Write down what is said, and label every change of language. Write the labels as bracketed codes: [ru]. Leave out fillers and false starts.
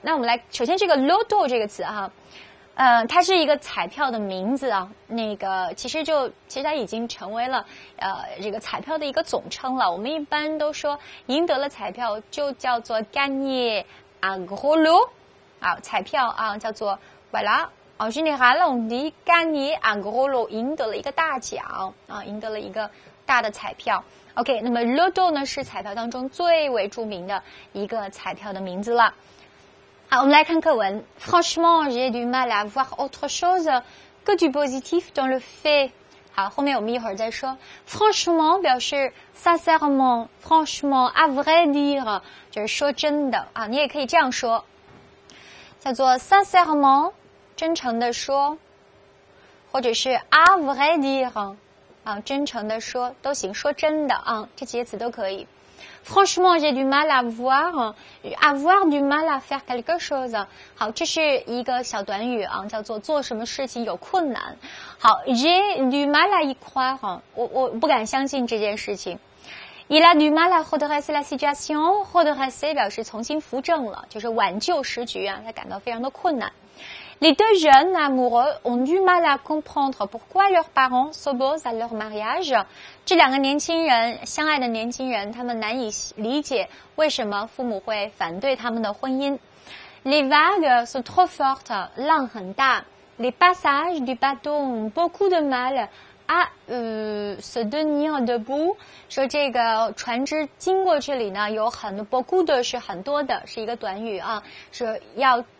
[zh] 那我们来首先这个 loto 这个词啊。它是一个彩票的名字啊，那个其实它已经成为了这个彩票的一个总称了。我们一般都说赢得了彩票就叫做 [fr] gagner un gros lot [zh] 啊，彩票啊叫做 [fr] voilà en général on dit gagner un gros lot， [zh] 赢得了一个大奖啊，赢得了一个大的彩票。 OK， 那么 loto 呢是彩票当中最为著名的一个彩票的名字了。好，我们来看课文。 [fr] Franchement, j'ai du mal à voir autre chose que du positif dans le fait. [zh] 好，后面我们一会儿再说。Franchement 表示 [fr] sincèrement, franchement, à vrai dire, [zh] 就是说真的啊，你也可以这样说，叫做 sincèrement, 真诚的说，或者是 [fr] à vrai dire, [zh] 啊，真诚的说都行，说真的啊，这几个词都可以。 [fr] Franchement, j'ai du mal à voir, avoir du mal à faire quelque chose. [zh] 好，这是一个小短语啊，叫做做什么事情有困难。 [fr] 好 ，j'ai du mal à y croire. [zh] 我不敢相信这件事情。 [fr] Il a du mal à redresser la situation. [zh] Redresser 表示重新扶正了，就是挽救时局啊，他感到非常的困难。 [fr] Les deux jeunes amoureux ont du mal à comprendre pourquoi leurs parents s'opposent à leur mariage. [zh] 这两个年轻人，相爱的年轻人，他们难以理解为什么父母会反对他们的婚姻。 [fr] Les vagues sont trop fortes, [zh] 浪很大。 [fr] Les passages du bateau ont beaucoup de mal à se tenir debout. [zh] 说这个船只经过这里呢，有很多 beaucoup 的是很多的，是一个短语啊，说要。